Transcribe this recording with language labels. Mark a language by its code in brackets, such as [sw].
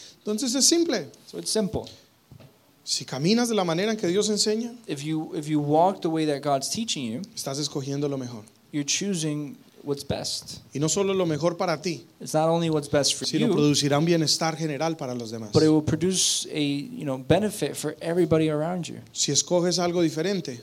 [es] Entonces es simple. [en] So it's simple. [es] Si caminas de la manera en que Dios enseña, [en] if you walk the way that God's teaching you, [es] estás escogiendo lo mejor. [en] You're choosing what's best. [es] Y no solo lo mejor para ti, [en] it's not only what's best for [es] sino [en] you, [es] producirá un bienestar general para los demás. [en] But it will produce a, you know, benefit for everybody around you. [es] Si escoges algo diferente,